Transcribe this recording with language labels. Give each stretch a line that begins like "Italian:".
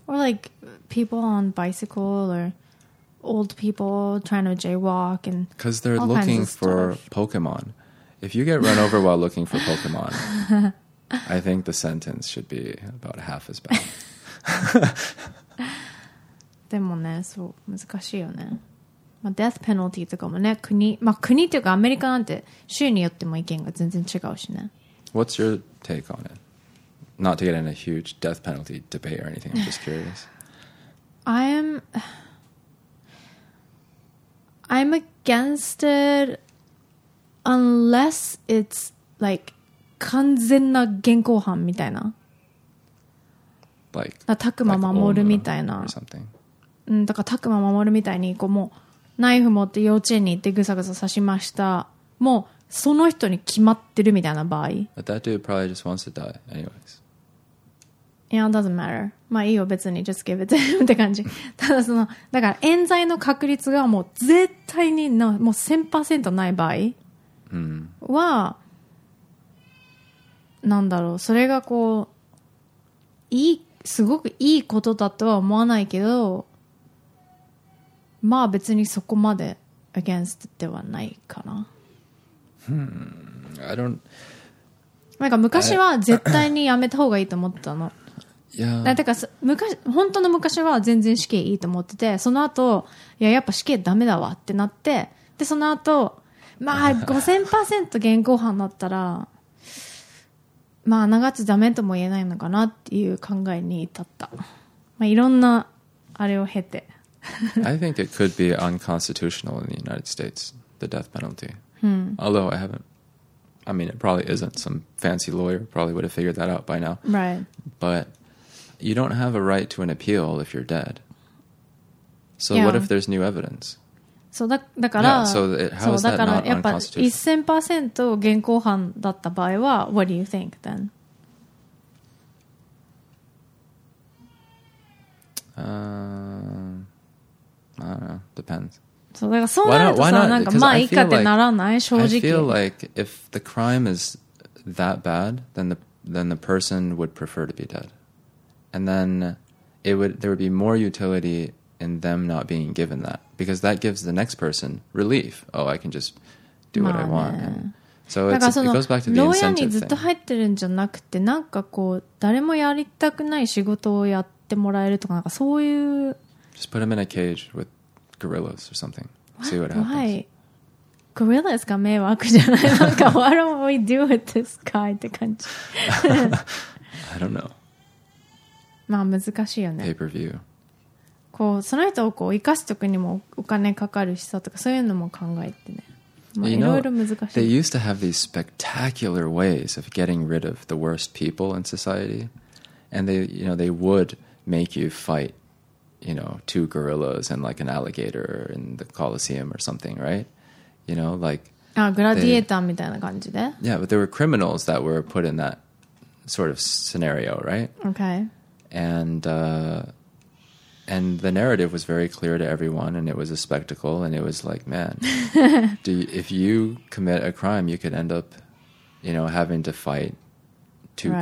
English: or like people on bicycle or old people trying to jaywalk and because they're all looking kinds of for stuff. Pokemon. If you get run over while looking for Pokemon, I think the sentence should be about half as bad.
Japanese: でもね、そう難しいよね。まあ、デスペナルティとかもね、国、まあ、国というかアメリカなんて州によっても意見が全然違うしね。
English: What's your take on it? Not to get in a huge death penalty debate or anything, I'm just curious. I'm against it unless it's like
Japanese: 完全な現行犯みたいな。
English: Like,
Japanese: なタクマ守るみたいな。
English: Like、or something.
Japanese: だからタクマ守るみたいにこうもう。ナイフ持って幼稚園に行ってぐさぐさ刺しましたもうその人に決まってるみたいな場合
English: But that dude probably just wants to die anyways Yeah, it doesn't matter
Japanese: まあいいよ別に
English: Just give it to him
Japanese: って感じただそのだから冤罪の確率がもう絶対にのもう 100% ない場合は、 mm. なんだろうそれがこういいすごくいいことだとは思わないけどまあ別にそこまで against ではないかな。
English: I don't...
Japanese: なんか昔は絶対にやめた方がいいと思ってたの。
English: Yeah.
Japanese: だから昔本当の昔は全然死刑いいと思ってて、その後、いややっぱ死刑ダメだわってなって、でその後、まあ 5000% 現行犯だったらまあ長くダメとも言えないのかなっていう考えに至った、まあ、いろんなあれを経て
English: I think it could be unconstitutional in the United States, the death penalty、 hmm. Although I haven't I mean it probably isn't Some fancy lawyer probably would have figured that out by now Right But you don't have a right to an appeal if you're dead So、yeah. what if there's new evidence?
Japanese: そうだから、
English: yeah, so、
Japanese: そうだからやっぱ 1000% 現行犯だった場合は
English: What do you think then?、 I don't know, depends
Japanese: そうだからそうなるとさ
English: why not?
Japanese: なんかまあいいかってならない正直
English: I feel like if the crime is that bad then the person would prefer to be dead And then there would be more utility in them not being given thatBecause that gives the next person relief. Oh, I can just do what、
Japanese: まあね、
English: I want.、And、so it goes back to the incentive thing.
Japanese: ローヤにずっと入ってるんじゃなくて、なんかこう、誰もやりたくない仕事をやってもらえるとか、なんかそういう。
English: Just put him in a cage with gorillas or something. What? See what happens. Why?
Japanese: Gorillas が迷惑じゃない。
English: なんか、why don't we do with this guy?
Japanese: って感じ。
English: I don't know.
Japanese: まあ難しいよね。
English: Pay-per-view.
Japanese: こうその人をこう生かすときにもお金かかるしさとかそういうのも考えてね、まあ、いろいろ難しい
English: you know, They used to have these spectacular ways of getting rid of the worst people in society And they, you know, they would make you fight you know, two gorillas and like an alligator in the Colosseum or something, right? You know, like
Japanese: ああグラディエーターみたいな感じで
English: Yeah, but there were criminals that were put in that sort of scenario, right? Okay AndAnd the narrative was very clear to everyone, and it was a spectacle, and it was like, man, if you commit a crime, you could end up, you know, having to fight two、right.